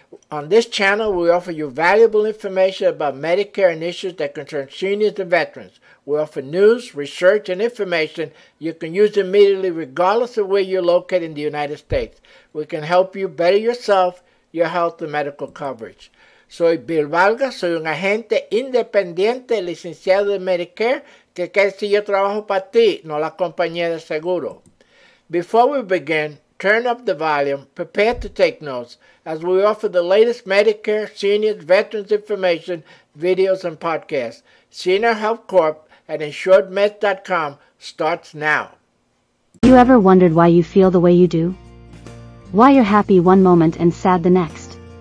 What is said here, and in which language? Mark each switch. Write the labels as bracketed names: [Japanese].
[English] On this channel, we offer you valuable information about Medicare and issues that concern seniors and veterans. We offer news, research, and information you can use immediately regardless of where you're located in the United States. We can help you better yourself, your health, and medical coverage. [Spanish] Soy Bill Vargas, soy un agente independiente licenciado de Medicare que quiere decir yo trabajo para ti, no la compañía de seguro. [English] Before we begin, turn up the volume, prepare to take notes, as we offer the latest Medicare, seniors, veterans information, videos, and podcasts. Siena Health Corp at InsuredMeds.com starts now. You ever wondered why you feel the way you do? Why you're happy one moment and sad the next?